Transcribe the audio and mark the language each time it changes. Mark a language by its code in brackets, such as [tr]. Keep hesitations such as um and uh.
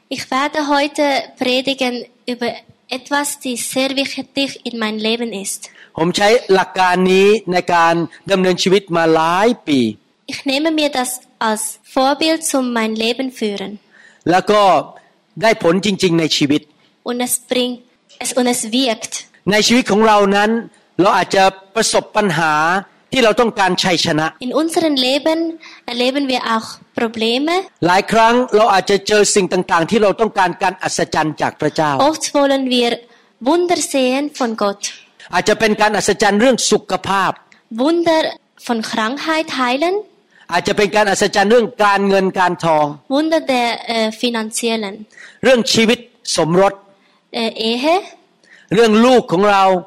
[de] werde heute predigen über etwas, die sehr wichtig in mein Leben ist. [th] ผมใช้หลักการนี้ในการดำเนินชีวิตมาหลายปี [de] Ich nehme mir das als Vorbild zum mein Leben führen. [th] แล้วก็ได้ผลจริงๆในชีวิต [de] Und es bringt es und es wirkt. [th] ในชีวิตของเรานั้น เราอาจจะประสบปัญหาที่เราต้องการชัยชนะ [de] In unseren Leben erleben wir auch Probleme [th] หลายครั้งเราอาจจะเจอสิ่งต่าง ๆ ที่เราต้องการการอัศจรรย์จากพระเจ้า [de] Oft wollen wir Wunder sehen von Gott [th] อาจจะเป็นการอัศจรรย์เรื่องสุขภาพ [de] Wunder von Krankheit heilen [th] อาจจะเป็นการอัศจรรย์เรื่องการเงินการทอง [de] Wunder der Finanzen [th] เรื่องชีวิตสมรส [de] Ehe [th] เรื่องลูกของเรา